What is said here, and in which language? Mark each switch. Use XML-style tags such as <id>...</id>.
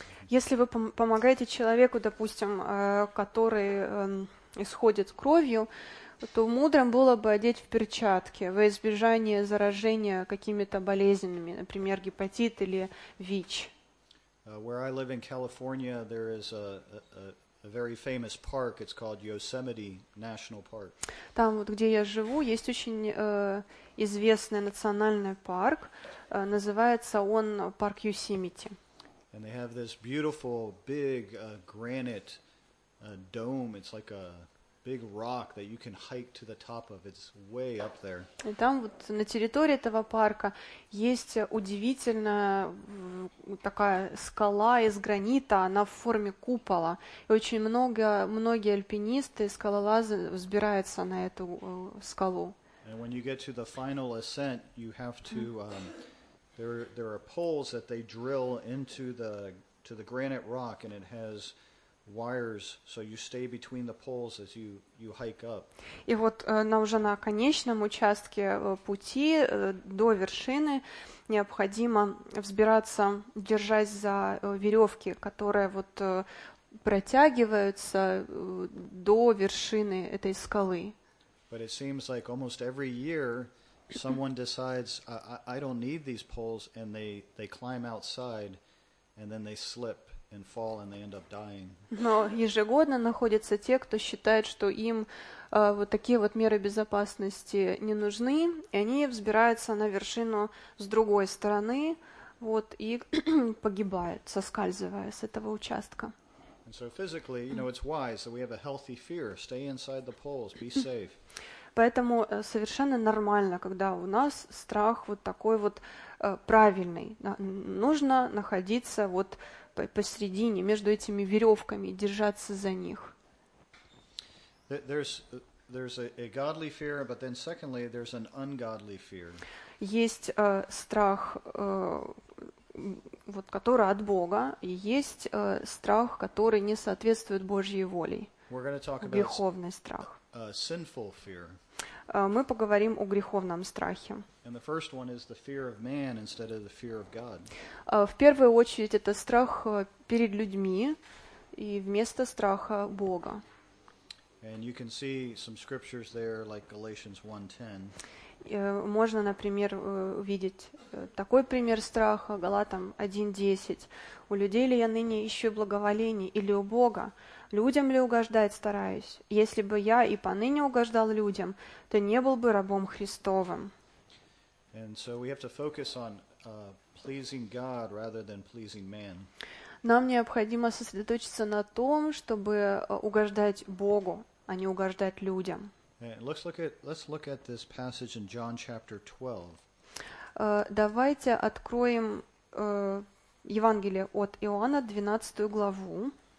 <ru>Если вы помогаете человеку, допустим, который исходит кровью, то мудрым было бы одеть в перчатки во избежание заражения какими-то болезнями, например, гепатит или ВИЧ.</ru> <en>Where I live in California, there is a very famous park. It's called Yosemite National Park.</en> <ru>Там, вот, где я живу, есть очень известный национальный парк. Называется он парк Йосемити.</ru> <en>And they have this beautiful big granite dome. It's like a big rock that you can hike to the top of. It's way up there.</en> <ru>И там вот на территории этого парка есть удивительная такая скала из гранита, она в форме купола. И очень многие альпинисты, скалолазы взбираются на эту скалу.</ru> <en>And when you get to the final ascent, you have to there are poles that they drill into the granite rock, and it has wires, so you stay between the poles as you hike up.</en> <ru>И вот уже на конечном участке пути до вершины необходимо взбираться, держась за веревки, которые вот протягиваются до вершины этой скалы.</ru> <en>But it seems like almost every year someone decides I don't need these poles, and they climb outside, and then they slip and fall, and they end up dying.</en> <ru>Но ежегодно находятся те, кто считает, что им вот такие вот меры безопасности не нужны, и они взбираются на вершину с другой стороны, вот, и погибают, соскальзывая с этого участка.</ru> <en>And so physically, you know, it's wise that we have a healthy fear. Stay inside the poles, be safe.</en> <ru>Поэтому совершенно нормально, когда у нас страх вот такой вот правильный. Нужно находиться вот посередине, между этими веревками, держаться за них.</ru> <en>There's There's a godly fear, but then secondly, there's an ungodly fear.</en> <ru>Есть страх, вот, который от Бога, и есть страх, который не соответствует Божьей воле.</ru> <en>We're going to talk about</en> <ru>греховный страх.</ru> <en>Sinful fear.</en> <ru>Мы поговорим о греховном страхе.</ru> <en>And the first one is the fear of man instead of the fear of God.</en> <ru>В первую очередь это страх перед людьми и вместо страха Бога.</ru> <en>And you can see some scriptures there, like Galatians 1:10.</en> <ru>Можно, например, видеть такой пример страха, Галатам 1:10. У людей ли я ныне ищу благоволение или у Бога? Людям ли угождать стараюсь? Если бы я и поныне угождал людям, то не был бы рабом Христовым.</ru> <en>And so we have to focus on pleasing God rather than pleasing man.</en> <ru>Нам необходимо сосредоточиться на том, чтобы угождать Богу, а не угождать людям.</ru> <en>Let's look at this passage in John chapter 12.</en> <ru>Давайте откроем Евангелие от Иоанна, 12 главу.</ru>